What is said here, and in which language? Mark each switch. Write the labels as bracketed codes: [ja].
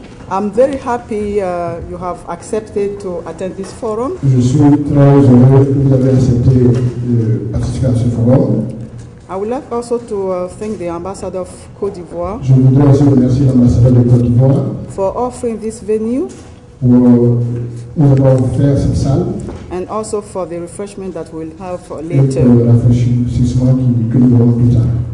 [en] I'm very happy you have accepted to attend this forum. [fr] Je suis très heureux que vous avez accepté de participer à ce forum. [en] I would like also to thank the Ambassador of Côte d'Ivoire. [fr] Je voudrais aussi remercier l'ambassadeur de Côte d'Ivoire [en] for offering this venue. [fr] Pour nous avoir offert cette salle. [en] And also for the refreshment that we'll have for later. [fr] Et pour le rafraîchissement que nous aurons plus tard.